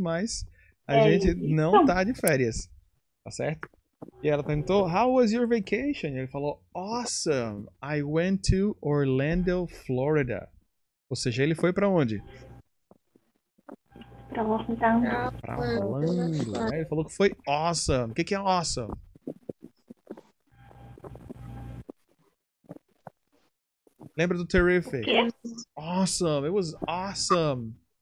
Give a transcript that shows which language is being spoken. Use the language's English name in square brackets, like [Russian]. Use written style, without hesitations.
[Portuguese] Mas a gente não tá de férias, tá certo? E ela perguntou, [English] how was your vacation? [Portuguese] E ele falou, [English] awesome, I went to Orlando, Florida. [Portuguese] Ou seja, ele foi pra onde? Pra Orlando. Pra Orlando, né? Ele falou que foi awesome. O que que é awesome? Lembra do [English] terrific? Awesome. It was awesome.